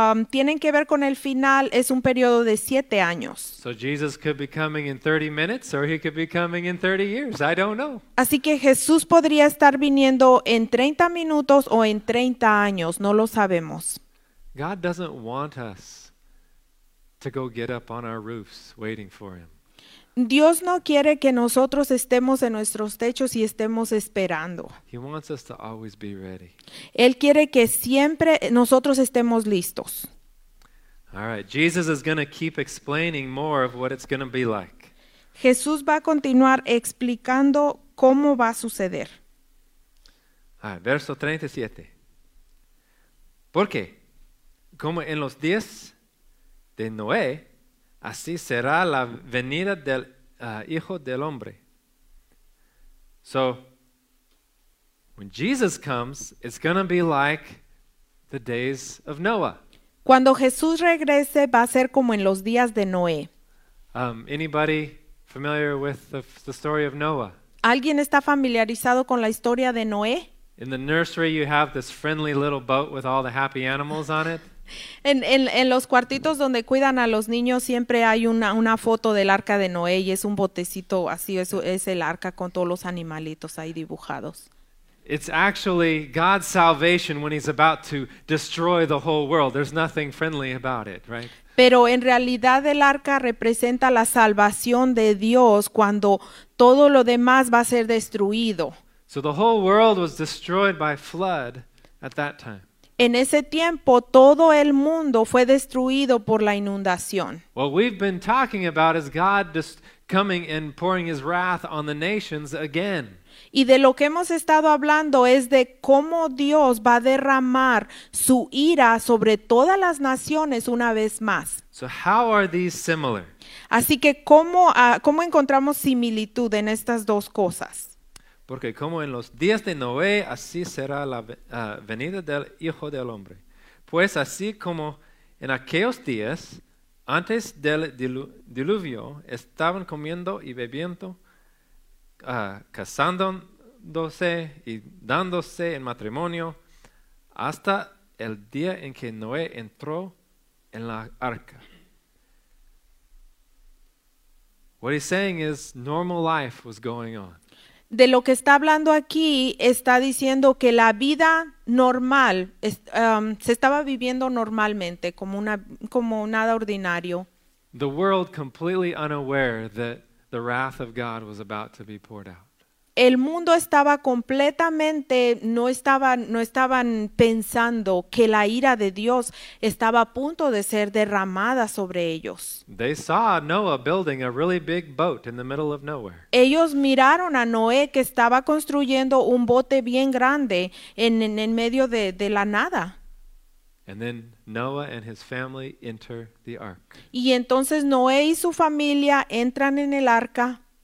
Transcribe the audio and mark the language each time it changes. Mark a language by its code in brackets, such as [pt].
[es] tienen que ver con el final, es un periodo de 7 años. [en] So Jesus could be coming in 30 minutes or he could be coming in 30 years. I don't know. [es] Así que Jesús podría estar viniendo en 30 minutos o en 30 años, no lo sabemos. [en] God doesn't want us to go get up on our roofs waiting for him. [es] Dios no quiere que nosotros estemos en nuestros techos y estemos esperando. [en] He wants us to always be ready. [es] Él quiere que siempre nosotros estemos listos. [en] All right, Jesus is going to keep explaining more of what it's going to be like. [es] Jesús va a continuar explicando cómo va a suceder. [en] All right, [es] verso 37. ¿Por qué? Como en los días de Noé, así será la venida del Hijo del Hombre. [en] So, when Jesus comes, it's going to be like the days of Noah. [es] Cuando Jesús regrese, va a ser como en los días de Noé. [en] Anybody familiar with the story of Noah? [es] ¿Alguien está familiarizado con la historia de Noé? [en] In the nursery, you have this friendly little boat with all the happy animals on it. [es] En los cuartitos donde cuidan a los niños siempre hay una foto del arca de Noé y es un botecito así, es el arca con todos los animalitos ahí dibujados. [en] It's actually God's salvation when he's about to destroy the whole world. There's nothing friendly about it, right? [es] Pero en realidad el arca representa la salvación de Dios cuando todo lo demás va a ser destruido. [en] So the whole world was destroyed by flood at that time. [es] En ese tiempo, todo el mundo fue destruido por la inundación. [en] What we've been talking about is God just coming and pouring his wrath on the nations again. [es] Y de lo que hemos estado hablando es de cómo Dios va a derramar su ira sobre todas las naciones una vez más. [en] So how are these similar? [es] Así que, ¿cómo encontramos similitud en estas dos cosas? Porque como en los días de Noé, así será la venida del Hijo del Hombre. Pues así como en aquellos días, antes del diluvio, estaban comiendo y bebiendo, casándose y dándose en matrimonio, hasta el día en que Noé entró en la arca. [en] What he's saying is normal life was going on. [es] De lo que está hablando aquí, está diciendo que la vida normal, se estaba viviendo normalmente, como nada ordinario. [en] The world completely unaware that the wrath of God was about to be poured out. [es] El mundo estaba completamente, no estaban pensando que la ira de Dios estaba a punto de ser derramada sobre ellos. [en] They saw Noah building a really big boat in the middle of nowhere. [es] Ellos miraron a Noé que estaba construyendo un bote bien grande en medio de la nada. [en] And then Noah and his family enter the ark. [es] Y entonces Noé y su familia entran en el arca.